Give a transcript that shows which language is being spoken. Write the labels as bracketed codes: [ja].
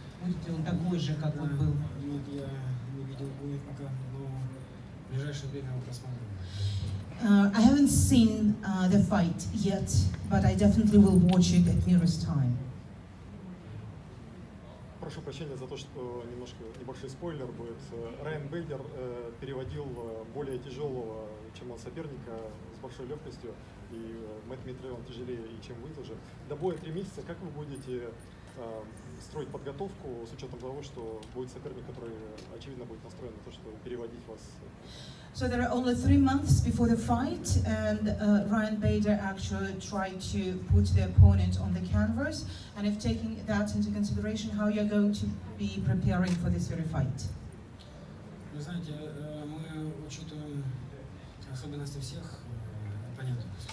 [ru] Будет ли он такой же, как он был? Нет, я не видел боя пока, но в ближайшее время его посмотрим. [en] I haven't seen the fight yet, but I definitely will watch it at nearest time. [ru] Прошу прощения за то, что немножко небольшой спойлер будет. Райан Бейдер переводил более тяжелого, чем он соперника, с большой легкостью. И Мэтт Митрей, он тяжелее, и чем вы тоже. До боя 3 месяца, как вы будете строить подготовку с учетом того, что будет соперник, который, очевидно, будет настроен на то, чтобы переводить вас? [en] So there are only 3 months before the fight, and Ryan Bader actually tried to put the opponent on the canvas. And if taking that into consideration, how you're going to be preparing for this very fight? [ru] Вы знаете, мы учитываем особенности всех оппонентов.